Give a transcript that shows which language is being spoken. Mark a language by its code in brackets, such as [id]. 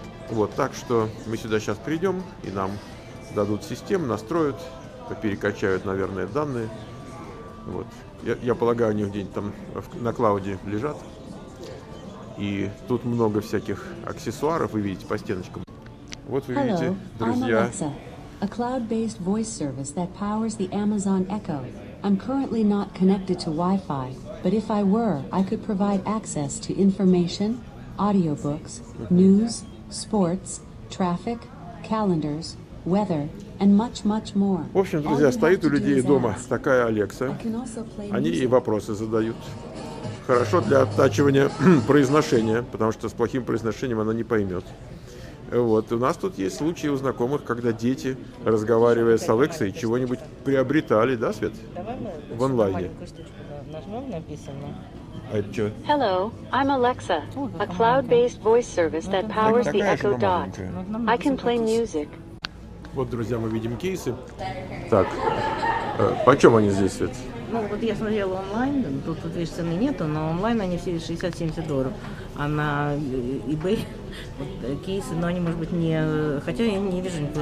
[ru] Вот, так что мы сюда сейчас придем, и нам дадут систему, настроят, перекачают, наверное, данные. Вот. Я полагаю, они где-нибудь там на клауде лежат. И тут много всяких аксессуаров, вы видите, по стеночкам. Вот вы видите, друзья. [en] A cloud-based voice service that powers the Amazon Echo. I'm currently not connected to Wi-Fi, but if I were, I could provide access to information, audiobooks, news, sports, traffic, calendars, weather, and much, much more. [ru] В общем, друзья, стоит у людей дома такая Alexa. Они ей вопросы задают. Хорошо для оттачивания произношения, потому что с плохим произношением она не поймет. Вот. У нас тут есть случаи у знакомых, когда дети, разговаривая с Алексой, чего-нибудь приобретали, да, Свет? Давай в онлайне. А это что? [en] Hello, I'm Alexa, a cloud-based voice service that powers the Echo Dot. I can play music. [ru] Вот, друзья, мы видим кейсы. Так, почем они здесь, Свет? Ну, вот я смотрела онлайн, тут видишь, цены нету, но онлайн они все 60-70 долларов. А на eBay вот, кейсы, но они, может быть, не... Хотя я не вижу никакого.